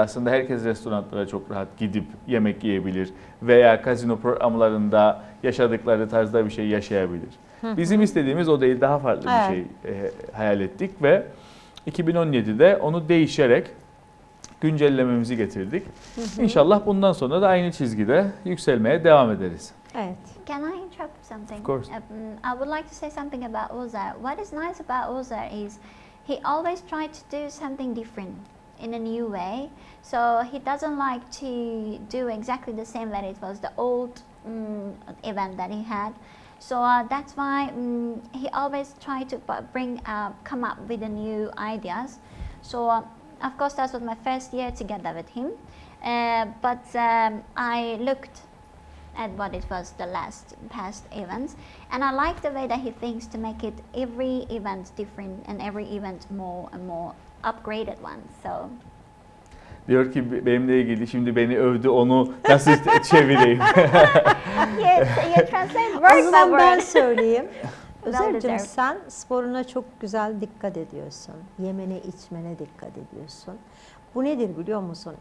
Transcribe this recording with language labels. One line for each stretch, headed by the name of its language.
Turkish: Aslında herkes restoranlara çok rahat gidip yemek yiyebilir veya kazino programlarında yaşadıkları tarzda bir şey yaşayabilir. Bizim istediğimiz o değil, daha farklı evet. bir şey hayal ettik ve 2017'de onu değişerek güncellememizi getirdik. İnşallah bundan sonra da aynı çizgide yükselmeye devam ederiz. Evet.
English: Can I interrupt something? Of course. I would like to say something about Ozer. What is nice about Ozer is he always tried to do something different in a new way. So he doesn't like to do exactly the same that it was the old event that he had. So that's why he always tried to come up with the new ideas. So of course that was my first year together with him. I looked at what it was the last past events. And I like the way that he thinks to make it every event different and every event more and more upgraded one. So
Turkish: diyor ki benimle ilgili şimdi beni övdü, onu nasıl çevireyim?
English: Yes,
Turkish: ben söyleyeyim. Özellikle sen sporuna çok güzel dikkat ediyorsun. Yemene içmene dikkat ediyorsun. Bu nedir biliyor musun?